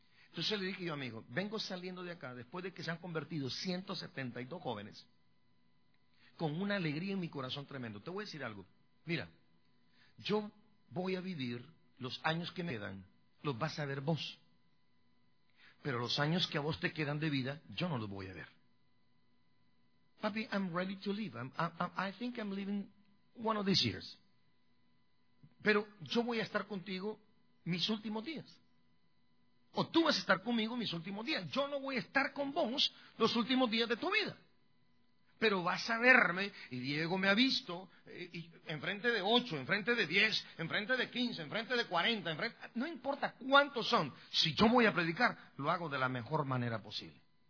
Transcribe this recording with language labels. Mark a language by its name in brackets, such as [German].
[Spanish] Entonces le dije yo, amigo, vengo saliendo de acá, después de que se han convertido 172 jóvenes, con una alegría en mi corazón tremendo. Te voy a decir algo. Mira, yo voy a vivir los años que me quedan, los vas a ver vos. Pero los años que a vos te quedan de vida, yo no los voy a ver. [English] Papi, I'm ready to leave. I think I'm leaving one of these years. [Spanish] Pero yo voy a estar contigo mis últimos días. O tú vas a estar conmigo mis últimos días. Yo no voy a estar con vos los últimos días de tu vida. Pero vas a verme, y Diego me ha visto, y enfrente de 8, enfrente de 10, enfrente de 15, enfrente de 40, no importa cuántos son, si yo voy a predicar, lo hago de la mejor manera posible.